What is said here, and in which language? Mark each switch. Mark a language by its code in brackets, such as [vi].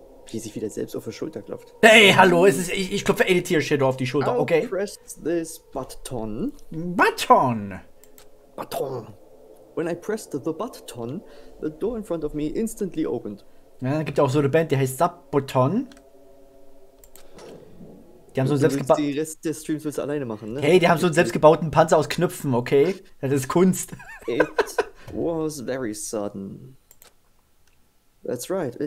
[de] Wie sich wieder selbst auf die Schulter klopft. Hey, hallo, es ist, ich klopfe Edit hier Shadow auf die Schulter, okay? [en] I'll press this button. Button! Button! When I pressed the button, the door in front of me instantly opened. [de] Ja, da gibt ja auch so eine Band, die heißt Subbutton. Die haben so selbstgebaut. Die Rest des Streams willst du alleine machen, ne? Hey, die haben so einen selbstgebauten Panzer aus Knöpfen, okay? Das ist Kunst. [en] It was very sudden. That's right.